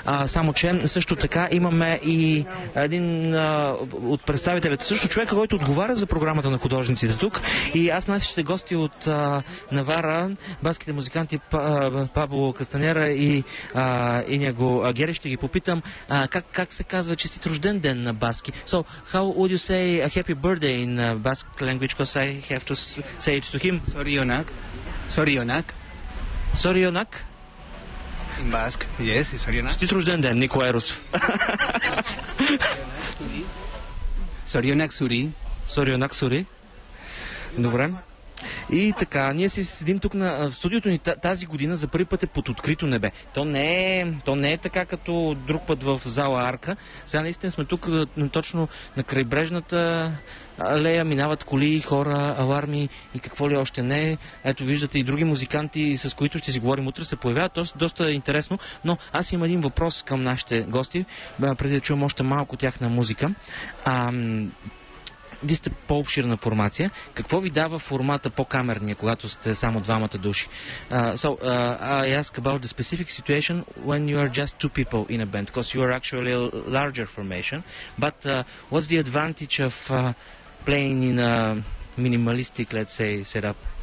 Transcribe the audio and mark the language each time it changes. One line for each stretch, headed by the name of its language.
Bulgarian: Само че също така имаме и един от представителите, също човека, който отговаря за програмата на художниците тук. И аз нашите гости от Навара, баските музиканти Пабло Кастанера и Иняго Гери, ще ги попитам как се казва честит рожден ден на баски.
English: So, how would you say a happy birthday in Basque language, because I have to say it to him.
Basque: Sorionak. Sorionak. Sorionak.
English: In Basque. Yes, it's Sorionak.
Bulgarian: Честит рожден ден, Нико Ерус.
Basque: Sorionak Suri. Sorionak Suri.
Bulgarian: Добре. И така, ние си седим тук на студиото ни тази година за първи път е под открито небе. То не е така като друг път в зала Арка. Сега наистина сме тук точно на крайбрежната алея, минават коли, хора, аларми и какво ли още не. Ето виждате и други музиканти, с които ще си говорим утре, се появяват. Доста интересно, но аз имам един въпрос към нашите гости, преди да чуем още малко тяхна музика. Вие сте по-обширна формация. Какво ви дава формата по-камерния, когато сте само двамата души?
English: I ask about the specific situation when you are just two people in a band, because you are actually a larger formation. But what's the advantage of playing in a minimalistic, let's say, setup?